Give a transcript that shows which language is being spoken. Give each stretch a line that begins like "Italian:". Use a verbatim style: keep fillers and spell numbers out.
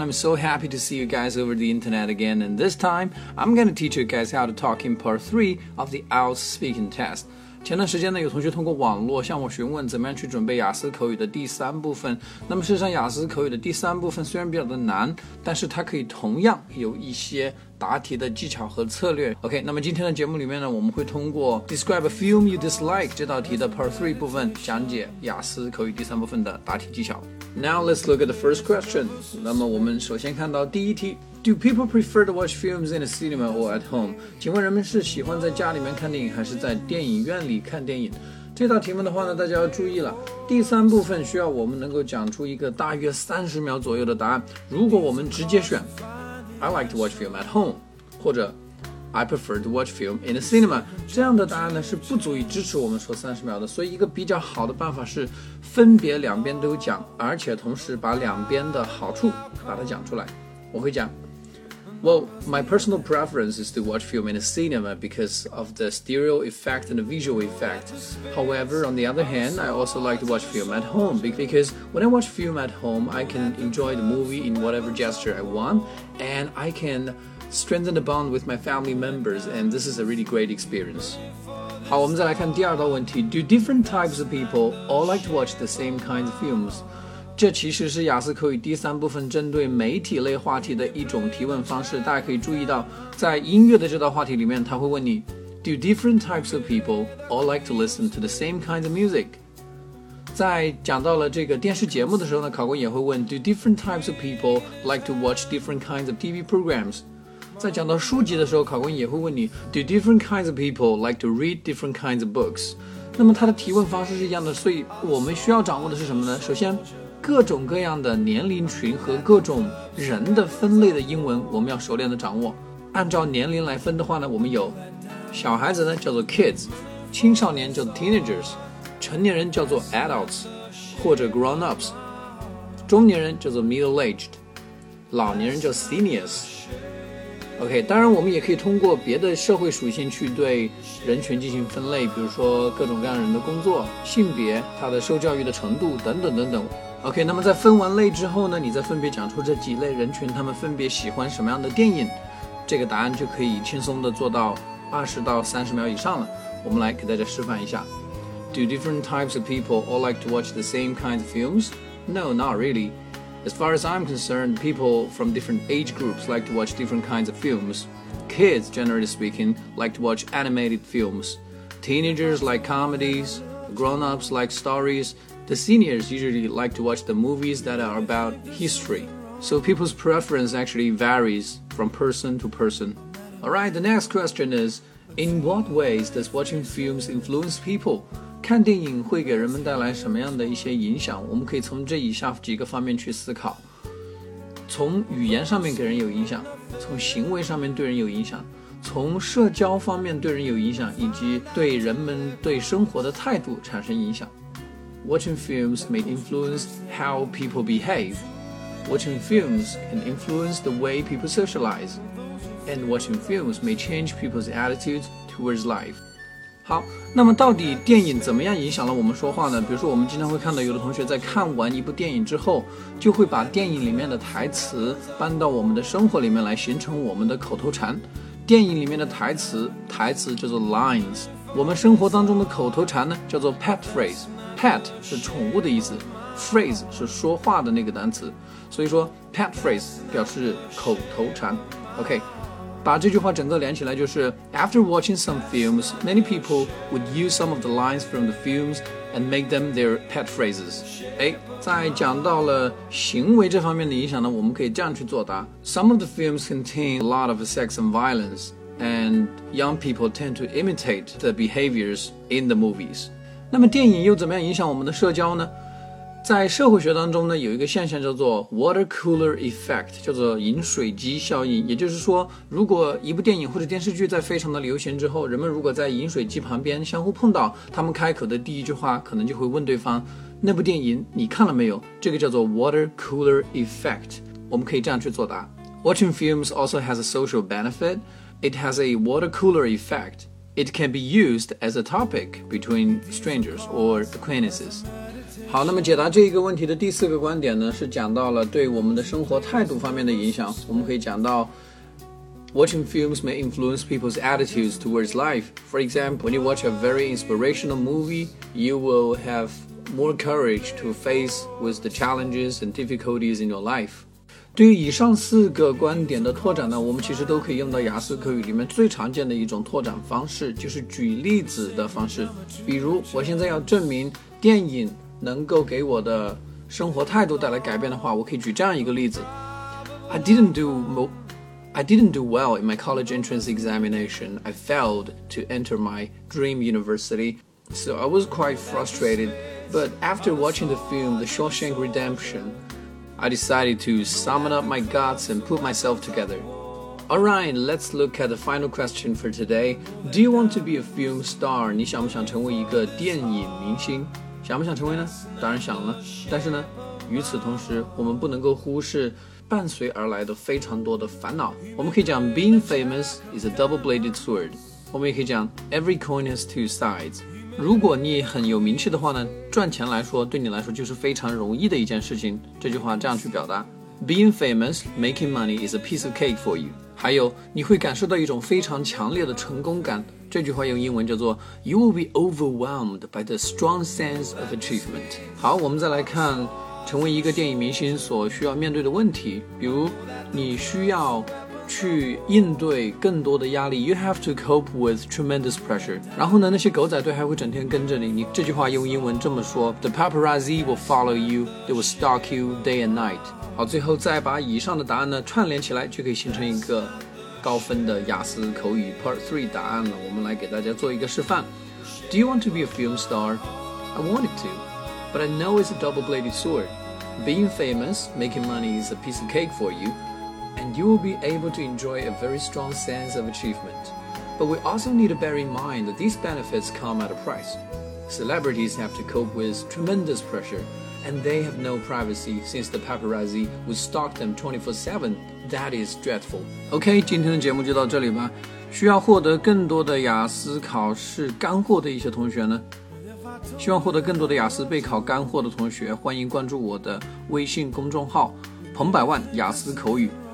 English: I'm so happy to see you guys over the internet again, and this time I'm going to teach you guys how to talk in part three of the I E L T S speaking test.
Chinese: 前段时间呢，有同学通过网络向我询问怎么样去准备雅思口语的第三部分。那么事实上，雅思口语的第三部分虽然比较的难，但是它可以同样有一些答题的技巧和策略。 OK， 那么今天的节目里面呢，我们会通过
English: Describe a film you dislike
Chinese: 这道题的 Part three 部分，讲解雅思口语第三部分的答题技巧。
English: Now let's look at the first question.
Chinese: 那么我们首先看到第一题。
English: Do people prefer to watch films in a cinema or at home?
Chinese: 请问人们是喜欢在家里面看电影，还是在电影院里看电影？这道题目的话呢，大家要注意了。第三部分需要我们能够讲出一个大约三十秒左右的答案。如果我们直接选
English: I like to watch film at home
Chinese: 或者
English: I prefer to watch film in a cinema
Chinese: 这样的答案呢，是不足以支持我们说三十秒的。所以一个比较好的办法是分别两边都讲，而且同时把两边的好处把它讲出来。我会讲
English: Well, my personal preference is to watch film in a cinema because of the stereo effect and the visual effect. However, on the other hand, I also like to watch film at home because when I watch film at home, I can enjoy the movie in whatever gesture I want, and I can strengthen the bond with my family members, and this is a really great experience.
Chinese: 好，我们再来看第二道问题。
English: Do different types of people all like to watch the same kinds of films?
Chinese: 这其实是雅思口语第三部分针对媒体类话题的一种提问方式。大家可以注意到，在音乐的这道话题里面，他会问你
English: Do different types of people all like to listen to the same kind of music?
Chinese: 在讲到了这个电视节目的时候呢，考官也会问
English: Do different types of people like to watch different kinds of T V programs?
Chinese: 在讲到书籍的时候，考官也会问你
English: Do different kinds of people like to read different kinds of books?
Chinese: 那么他的提问方式是一样的，所以我们需要掌握的是什么呢？首先各种各样的年龄群和各种人的分类的英文我们要熟练的掌握。按照年龄来分的话呢，我们有小孩子呢叫做 kids， 青少年叫做 teenagers， 成年人叫做 adults 或者 grown-ups， 中年人叫做 middle-aged， 老年人叫 seniors。 OK， 当然我们也可以通过别的社会属性去对人群进行分类，比如说各种各样人的工作、性别、他的受教育的程度等等等等。 OK， 那么在分完类之后呢，你再分别讲出这几类人群他们分别喜欢什么样的电影，这个答案就可以轻松的做到二十到三十秒以上了。我们来给大家示范一下。
English: Do different types of people all like to watch the same kinds of films? No, not really. As far as I'm concerned, people from different age groups like to watch different kinds of films. Kids, generally speaking, like to watch animated films. Teenagers like comedies. Grown-ups like stories. The seniors usually like to watch the movies that are about history. So people's preference actually varies from person to person. Alright, the next question is, in what ways does watching films influence people?
Chinese: 看电影会给人们带来什么样的一些影响？我们可以从这以下几个方面去思考。从语言上面给人有影响，从行为上面对人有影响，从社交方面对人有影响，以及对人们对生活的态度产生影响。
English: Watching films may influence how people behave. Watching films can influence the way people socialize. And watching films may change people's attitudes towards life.
Chinese: 好，那么到底电影怎么样影响了我们说话呢？比如说我们经常会看到有的同学在看完一部电影之后，就会把电影里面的台词搬到我们的生活里面来，形成我们的口头禅。电影里面的台词，台词叫做 lines。我们生活当中的口头禅呢，叫做 pet phrase。 Pet 是宠物的意思， phrase 是说话的那个单词，所以说 pet phrase 表示口头禅。
English: OK，
Chinese: 把这句话整个连起来就是
English: After watching some films, many people would use some of the lines from the films and make them their pet phrases.
Chinese: 哎，在讲到了行为这方面的影响呢，我们可以这样去作答。
English: Some of the films contain a lot of sex and violence, and young people tend to imitate the behaviors in the movies.
Chinese: 那么电影又怎么样影响我们的社交呢？在社会学当中呢，有一个现象叫做 water cooler effect， 叫做饮水机效应。也就是说，如果一部电影或者电视剧在非常的流行之后，人们如果在饮水机旁边相互碰到，他们开口的第一句话可能就会问对方，那部电影你看了没有？这个叫做 water cooler effect。我们可以这样去作答。
English: Watching films also has a social benefit. It has a water cooler effect. It can be used as a topic between strangers or acquaintances.
Chinese: 好，好，那么解答这个问题的第四个观点呢，是讲到了对我们的生活态度方面的影响。我们可以讲到
English: watching films may influence people's attitudes towards life. For example, when you watch a very inspirational movie, you will have more courage to face with the challenges and difficulties in your life.
Chinese: 对于以上四个观点的拓展呢，我们其实都可以用到雅思口语里面最常见的一种拓展方式，就是举例子的方式。比如我现在要证明电影能够给我的生活态度带来改变的话，我可以举这样一个例子。
English: I didn't do, I didn't do well in my college entrance examination. I failed to enter my dream university. So I was quite frustrated. But after watching the film The Shawshank Redemption,I decided to summon up my guts and put myself together. Alright, let's look at the final question for today. Do you want to be a film star?
Chinese: 你想不想成为一个电影明星？想不想成为呢？当然想了。但是呢，与此同时，我们不能够忽视伴随而来的非常多的烦恼。我们可以讲
English: being famous is a double-bladed sword.
Chinese: 我们也可以讲
English: every coin has two sides.
Chinese: 如果你很有名气的话呢，赚钱来说对你来说就是非常容易的一件事情。这句话这样去表达
English: Being famous, making money is a piece of cake for you.
Chinese: 还有你会感受到一种非常强烈的成功感，这句话用英文叫做
English: You will be overwhelmed by the strong sense of achievement.
Chinese: 好，我们再来看成为一个电影明星所需要面对的问题。比如你需要去应对更多的压力
English: You have to cope with tremendous pressure.
Chinese: 然后呢，那些狗仔队还会整天跟着你。你这句话用英文这么说
English: The paparazzi will follow you. They will stalk you day and night.
Chinese: 好，最后再把以上的答案呢串联起来，就可以形成一个高分的雅思口语 Part three 答案了。我们来给大家做一个示范。
English: Do you want to be a film star? I wanted to, but I know it's a double-bladed sword. Being famous, making money is a piece of cake for you. And you will be able to enjoy a very strong sense of achievement. But we also need to bear in mind that these benefits come at a price. Celebrities have to cope with tremendous pressure, and they have no privacy since the paparazzi would stalk them twenty-four seven. That is dreadful.
Chinese: OK, 今天的节目就到这里吧。需要获得更多的雅思考试干货的一些同学呢，希望获得更多的雅思备考干货的同学，欢迎关注我的微信公众号“彭百万雅思口语”。